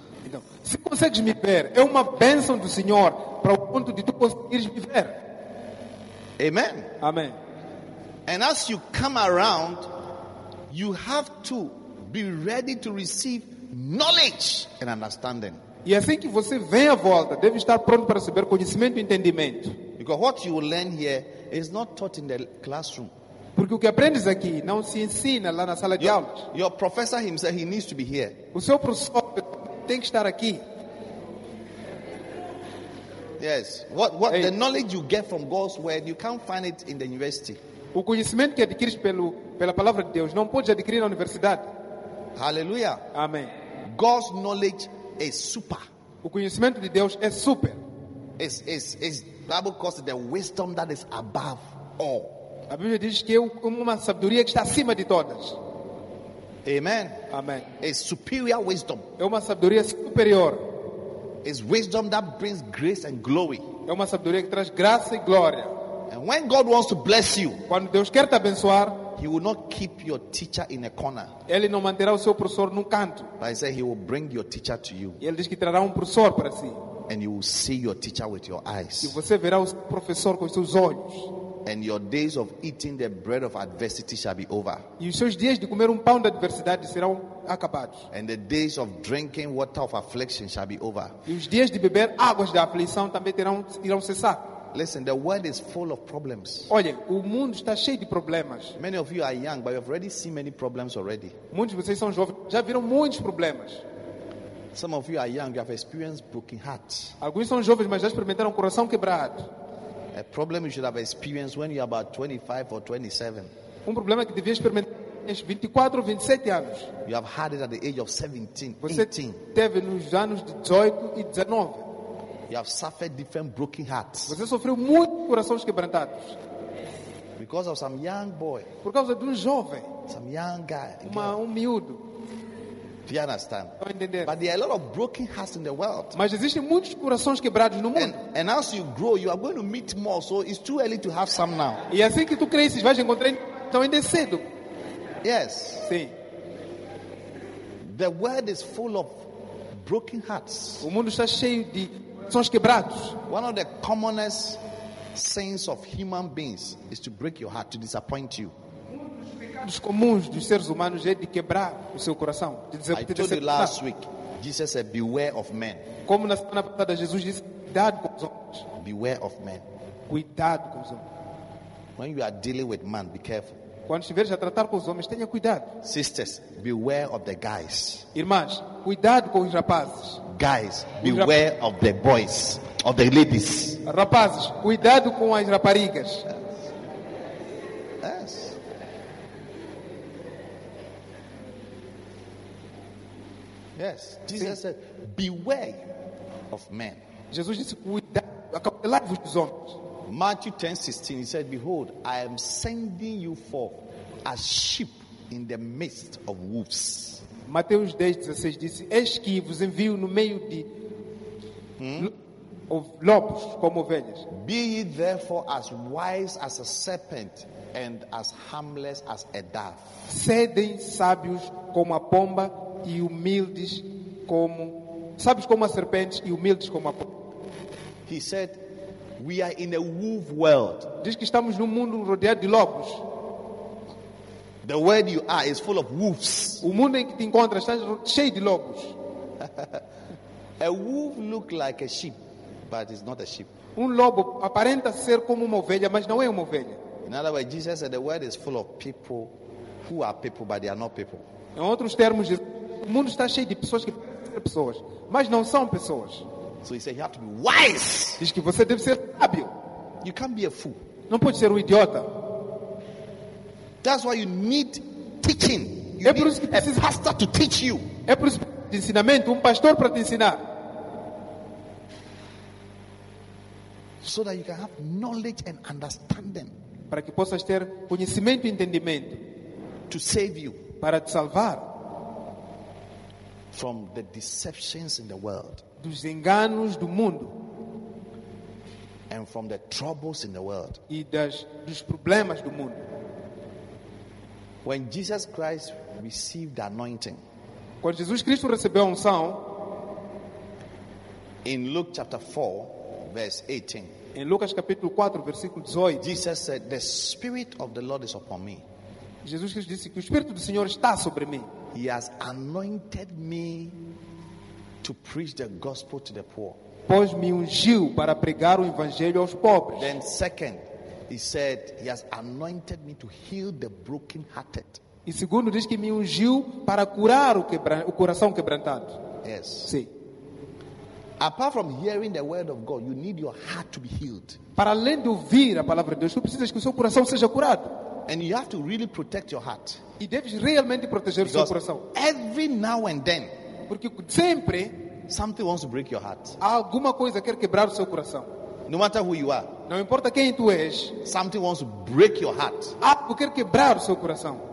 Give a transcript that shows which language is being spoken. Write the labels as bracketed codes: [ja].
[pt] Então, se consegues me ver, é uma bênção do Senhor para o ponto de tu conseguires me ver. [en] Amen. [pt] Amém. [en] And as you come around, you have to be ready to receive knowledge and understanding. [pt] E assim que você vem à volta, deve estar pronto para receber conhecimento e entendimento. [en] Because what you learn here is not taught in the classroom. [pt] Porque o que aprendes aqui não se ensina lá na sala de aula. [en] Your professor himself, he needs to be here. [pt] O seu professor tem que estar aqui. [en] Yes. What the knowledge you get from God's word, you can't find it in the university. [pt] O conhecimento que adquires pela palavra de Deus não pode adquirir na universidade. [en] Hallelujah. [pt] Amém. [en] God's knowledge is super. [pt] O conhecimento de Deus é super. [en] It's Bible calls it the wisdom that is above all. [pt] A Bíblia diz que é uma sabedoria que está acima de todas. [en] Amen. [pt] Amém. [en] It's superior wisdom. [pt] É uma sabedoria superior. [en] It's wisdom that brings grace and glory. [pt] É uma sabedoria que traz graça e glória. [en] And when God wants to bless you, [pt] quando Deus quer te abençoar, [en] He will not keep your teacher in a corner. [pt] Ele não manterá o seu professor num canto. [en] But He said He will bring your teacher to you. [pt] Ele diz que trará professor para si. [en] And you will see your teacher with your eyes. [pt] E você verá o seu professor com seus olhos. [en] And your days of eating the bread of adversity shall be over. [pt] E os seus dias de comer pão da adversidade serão acabados. [en] And the days of drinking water of affliction shall be over. [pt] E os dias de beber águas da aflição também irão cessar. [en] Listen, the world is full of problems. [pt] Olha, o mundo está cheio de problemas. [en] Many of you are young, but you've already seen many problems already. [pt] Muitos de vocês são jovens, já viram muitos problemas. [en] Some of you are young, you have experienced broken hearts. [pt] Alguns são jovens, mas já experimentaram coração quebrado. [en] A problem you should have experienced when you are about 25 or 27. [pt] Problema que devia experimentar aos 24 ou 27 anos. [en] You have had it at the age of 17, 18. [pt] Você teve nos anos de 18 e 19. [en] You have suffered different broken hearts. [pt] Você sofreu muitos corações quebrantados. [en] Because of some young boy. [pt] Por causa de jovem. [en] Some young guy. [pt] Miúdo. [en] Do you understand? [pt] Não entender. [en] But there are a lot of broken hearts in the world. [pt] Mas existem muitos corações quebrados no mundo. [en] And as you grow, you are going to meet more. So it's too early to have some now. [pt] E assim que tu cresces, vais encontrar. Então ainda é cedo. [en] Yes. [pt] Sim. [en] The world is full of broken hearts. [pt] O mundo está cheio de corações quebrados. [en] One of the commonest sins of human beings is to break your heart, to disappoint you. [pt] Dos comuns dos seres humanos é de quebrar o seu coração. [en] I told you last week, Jesus said, "Beware of men." [pt] Como na semana passada Jesus disse, cuidado com os homens. [en] Beware of men. [pt] Cuidado com os homens. [en] When you are dealing with man, be careful. [pt] Quando estiveres a tratar com os homens, tenha cuidado. [en] Sisters, beware of the guys. [pt] Irmãs, cuidado com os rapazes. [en] Guys, beware of the boys, of the ladies. [pt] Rapazes, cuidado com as raparigas. [en] Yes. Yes, Jesus said, "Beware of men." [pt] Jesus disse, cuidado dos homens. [en] Matthew 10:16, he said, "Behold, I am sending you forth as sheep in the midst of wolves." [pt] Mateus 10:16 disse, "Eis que vos envio no meio de lobos como ovelhas." [en] Be ye therefore as wise as a serpent and as harmless as a dove. [pt] Sedem sábios como a pomba e humildes como sabes como a serpente e humildes como a pomba. [en] He said, "We are in a wolf world." [pt] Diz que estamos num mundo rodeado de lobos. [en] The world you are is full of wolves. [pt] O mundo em que te encontras está cheio de lobos. [en] A wolf look like a sheep, but it's not a sheep. [pt] Um lobo aparenta ser como uma ovelha, mas não é uma ovelha. [en] In other words, Jesus said the world is full of people who are people, but they are not people. [pt] Em outros termos, o mundo está cheio de pessoas que parecem pessoas, mas não são pessoas. [en] So he said you have to be wise. [pt] Diz que você deve ser sábio. [en] You can't be a fool. [pt] Não pode ser um idiota. [en] That's why you need teaching. You need a pastor to teach you. [pt] É por isso que de ensinamento, pastor para te ensinar. [en] So that you can have knowledge and understanding. [pt] Para que possas ter conhecimento e entendimento. [en] To save you. [pt] Para te salvar. [en] From the deceptions in the world. [pt] Dos enganos do mundo. [en] And from the troubles in the world. [pt] E dos problemas do mundo. [en] When Jesus Christ received anointing. [pt] Quando Jesus Cristo recebeu a unção. [en] In Luke chapter 4, verse 18. [pt] Em Lucas capítulo 4, versículo 18. [en] Jesus said, "The Spirit of the Lord is upon me." [pt] Jesus Cristo disse que o Espírito do Senhor está sobre mim. [en] He has anointed me to preach the gospel to the poor. [pt] Pôs-me ungiu para pregar o evangelho aos pobres. [en] Then second, he said, he has anointed me to heal the brokenhearted. [pt] E segundo, diz que me ungiu para curar o coração quebrantado. [en] Yes. [pt] Sim. [en] Apart from hearing the word of God, you need your heart to be healed. [pt] Para além de ouvir a palavra de Deus, tu precisas que o seu coração seja curado. [en] And you have to really protect your heart. [pt] E deves realmente proteger o seu coração. [en] Every now and then, [pt] porque sempre, [en] something wants to break your heart. [pt] Alguma coisa quer quebrar o seu coração. [en] No matter who you are, [pt] não importa quem tu és, [en] something wants to break your heart. [pt] Algo quer quebrar o seu coração.